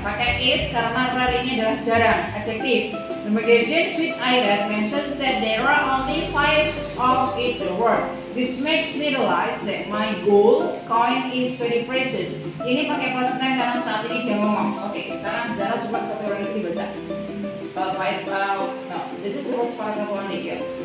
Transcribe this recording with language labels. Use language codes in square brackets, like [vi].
[id] Pakai is karena rare ini adalah jarang. [en] Adjective. The magazine which I read mentions that there are only 5 of it in the world. This makes me realize that my gold coin is very precious. [id] Ini pakai present tense karena saat ini dia ngomong. Oke, okay, sekarang Zara coba satu lagi dibaca. [en] No, this is the first part of one video.